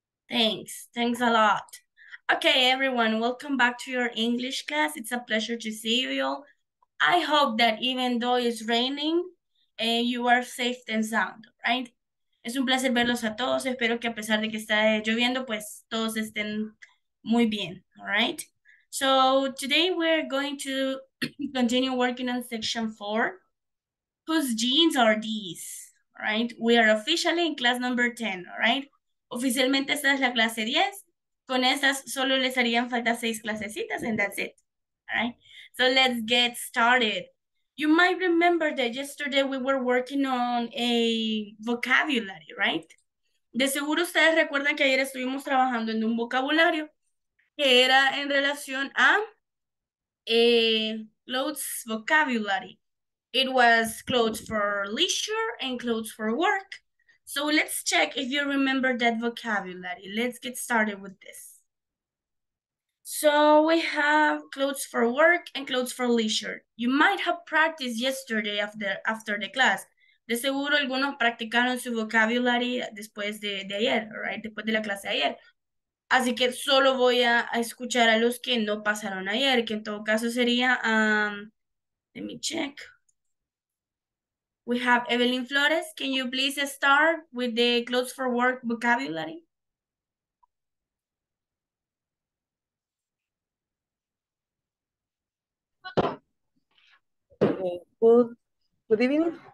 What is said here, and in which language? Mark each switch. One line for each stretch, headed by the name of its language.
English: Thanks. Thanks a lot. Okay, everyone, welcome back to your English class. It's a pleasure to see you all. I hope that even though it's raining, you are safe and sound, right?
Spanish: Es un placer verlos a todos. Espero que a pesar de que está lloviendo, pues todos estén muy bien.
English: All right. So today we're going to continue working on section 4. Whose jeans are these? All right. We are officially in class number 10. All right.
Spanish: Oficialmente esta es la clase 10. Con estas solo les harían falta 6 clasecitas
English: and that's it. All right. So let's get started. You might remember that yesterday we were working on a vocabulary, right?
Spanish: De seguro ustedes recuerdan que ayer estuvimos trabajando en un vocabulario que era en relación a clothes vocabulary.
English: It was clothes for leisure and clothes for work. So let's check if you remember that vocabulary. Let's get started with this. So we have clothes for work and clothes for leisure. You might have practiced yesterday after the class.
Spanish: De seguro algunos practicaron su vocabulary después de ayer, right? Después de la clase de ayer. Así que solo voy a escuchar a los que no pasaron ayer, que en todo caso sería,
English: let me check. We have Evelyn Flores. Can you please start with the clothes for work vocabulary? Good evening.